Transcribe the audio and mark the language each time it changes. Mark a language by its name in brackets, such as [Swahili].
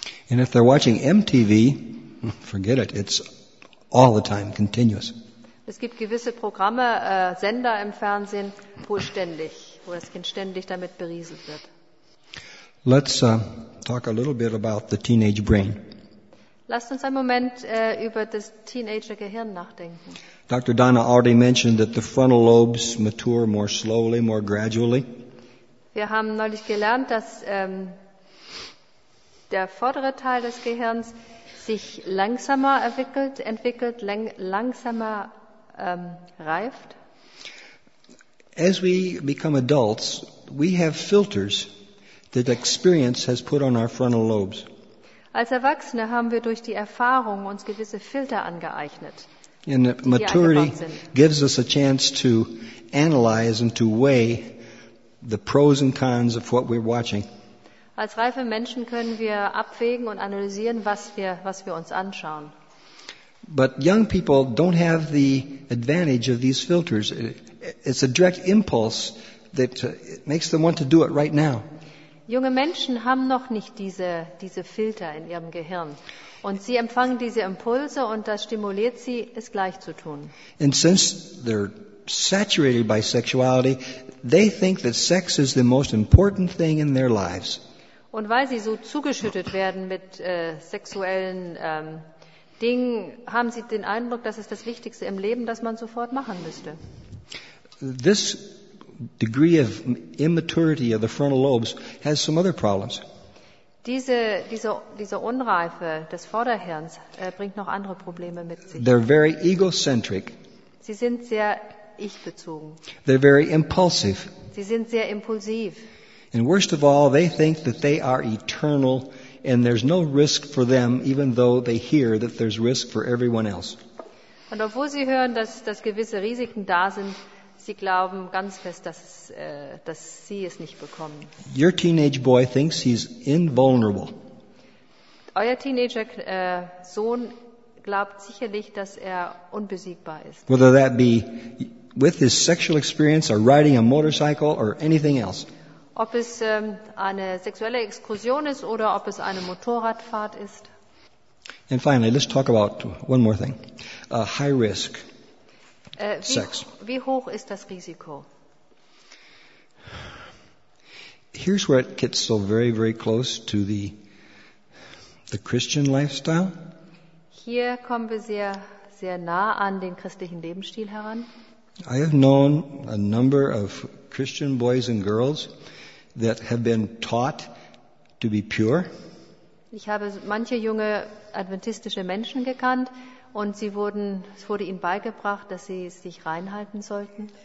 [English] And if they're watching MTV, forget it, it's all the time, continuous. [German] Es gibt gewisse Programme, Sender im Fernsehen, wo das Kind ständig damit berieselt wird. [English] Let's talk a little bit about the teenage brain. [German] Lasst uns einen Moment über das Teenager-Gehirn nachdenken. [English] Dr. Donna already mentioned that the frontal lobes mature more slowly, more gradually. [German] Wir haben neulich gelernt, dass der vordere Teil des Gehirns sich langsamer entwickelt, langsamer reift. [English] As we become adults, we have filters that experience has put on our frontal lobes. [German] Als Erwachsene haben wir durch die Erfahrung uns gewisse Filter angeeignet. [English] And maturity gives us a chance to analyze and to weigh the pros and cons of what we're watching. [German] Als reife Menschen können wir abwägen und analysieren, was wir uns anschauen. [English] But young people don't have the advantage of these filters. It's a direct impulse that makes them want to do it right now. [German] Junge Menschen haben noch nicht diese Filter in ihrem Gehirn. Und sie empfangen diese Impulse und das stimuliert sie, es gleich zu tun. [English] And since they're saturated by sexuality, they think that sex is the most important thing in their lives. [German] Und weil sie so zugeschüttet werden mit sexuellen Dingen, haben sie den Eindruck, dass es das Wichtigste im Leben, das man sofort machen müsste. [English] This degree of immaturity of the frontal lobes has some other problems. [German] Diese Unreife des Vorderhirns bringt noch andere Probleme mit sich. [English] They're very egocentric. [German] Sie sind sehr ich-bezogen. [English] They're very impulsive. [German] Sie sind sehr impulsiv. [English] And worst of all, they think that they are eternal and there's no risk for them, even though they hear that there's risk for everyone else. [German] Und obwohl sie hören, dass gewisse Risiken da sind, sie glauben ganz fest, dass sie es nicht bekommen. [English] Your teenage boy thinks he's invulnerable. [German] Euer Teenager-Sohn glaubt sicherlich, dass er unbesiegbar ist. [English] Whether that be with his sexual experience or riding a motorcycle or anything else. [German] Ob es eine sexuelle Exkursion ist oder ob es eine Motorradfahrt ist. [English] And finally, let's talk about one more thing. High risk. [German] Wie hoch ist das Risiko? [English] Here's where it gets so very, very close to the Christian lifestyle. [German] Hier kommen wir sehr, sehr nah an den christlichen Lebensstil heran. [English] I have known a number of Christian boys and girls that have been taught to be pure. [German] Ich habe manche junge adventistische Menschen gekannt. Und es wurde ihnen beigebracht, dass sie sich reinhalten sollten.